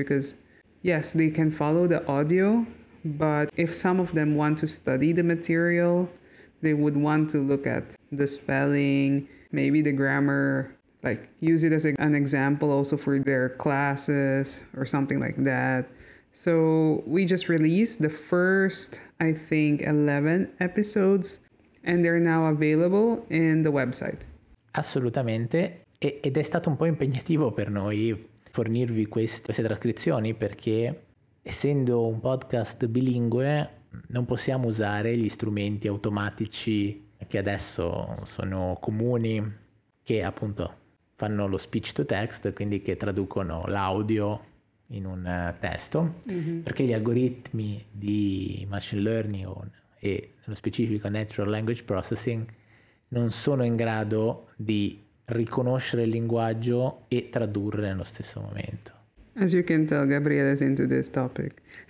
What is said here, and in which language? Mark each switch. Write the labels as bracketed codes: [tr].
[en] Because yes, they can follow the audio, but if some of them want to study the material, they would want to look at the spelling, maybe the grammar, like use it as an example also for their classes or something like that. So we just released the first, I think, 11 episodes, and they're now available in the website. [it] Assolutamente. Ed è stato un po' impegnativo per noi fornirvi queste trascrizioni, perché essendo un podcast bilingue non possiamo usare gli strumenti automatici che adesso sono comuni, che appunto fanno lo speech to text, quindi che traducono l'audio in un testo, mm-hmm. perché gli algoritmi di machine learning e nello specifico natural language processing non sono in grado di riconoscere il linguaggio e tradurre nello stesso momento. [en] As you can tell, Gabriele is into this topic.